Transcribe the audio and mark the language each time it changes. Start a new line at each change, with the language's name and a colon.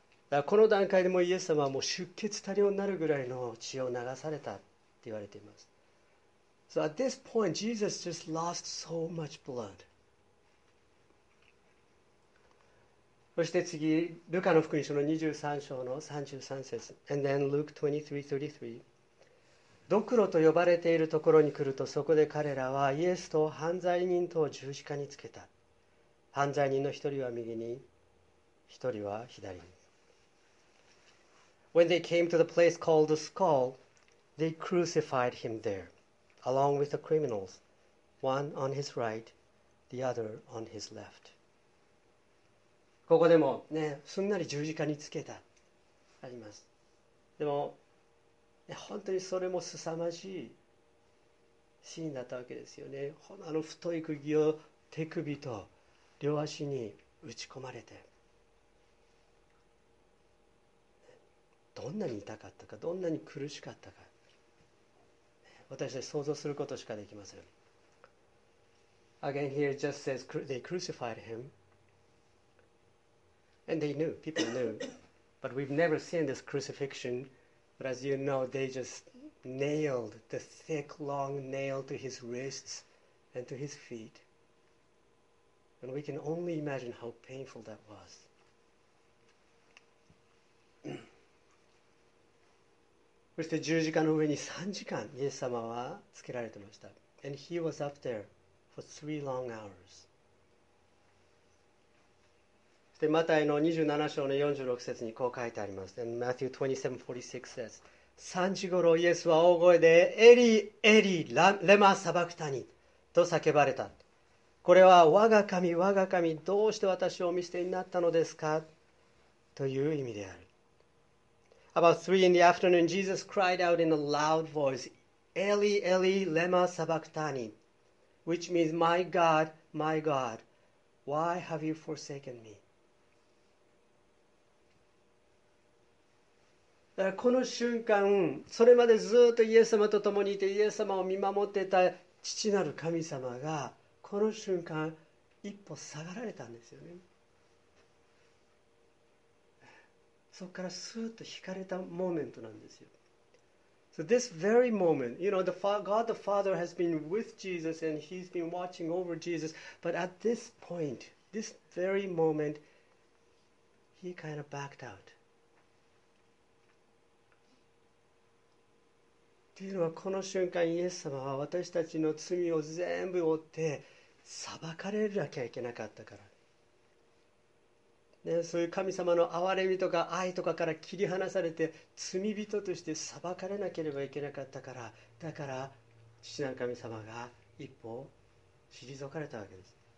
Japanese: だからこの段階でもイエス様はもう出血多量になるぐらいの血を流されたって言われています。
English: So at this point, Jesus just lost so much blood.
Japanese: そして次、ルカの福音書の23章の33節。
English: And then Luke 23:33。
Japanese: ドクロと呼ばれているところに来ると、そこで彼らはイエスと犯罪人とを十字架につけた。犯罪人の一人は右に、一人は左に。
English: When they came to the place called the skull, they crucified him there, along with the criminals, one on his right, the other on his left.
Japanese: ここでも、ね、すんなり十字架につけたあります。でも本当にそれも凄まじいシーンだったわけですよね。あの太い釘を手首と両足に打ち込まれて、どんなに痛かったか、どんなに苦しかったか、私たち想像することしかできません。
English: Again here it just says they crucified himAnd they knew, people knew, but we've never seen this crucifixion. But as you know, they just nailed the thick, long nail to his wrists and to his feet. And we can only imagine how painful that was.
Japanese: そして十字架の上に3時間、イエス様はつけられてました。
English: And he was up there for three long hours.
Japanese: で、マタイの27章の46節にこう書いてあります。
English: And Matthew 27:46 says,
Japanese: 3時ごろイエスは大声で、エリエリレマサバクタニと叫ばれた。これは我が神、我が神、どうして私をお見捨てになったのですかという意味である。
English: About 3 in the afternoon, Jesus cried out in a loud voice, エリエリレマサバクタニ which means, my God, why have you forsaken me?
Japanese: この瞬間、それまでずっとイエス様と共にいて、イエス様を見守ってた父なる神様が、この瞬間、一歩下がられたんですよね。そこからスーッと引かれたモーメントなんですよ。
English: So this very moment, you know, God the Father has been with Jesus and he's been watching over Jesus, but at this point, this very moment, he kind of backed out.
Japanese: っていうのは、この瞬間イエス様は私たちの罪を全部負って裁かれなきゃいけなかったから、ね、そういう神様の憐れみとか愛とかから切り離されて罪人として裁かれなければいけなかったから、だから父なる神様が一歩退かれたわけです。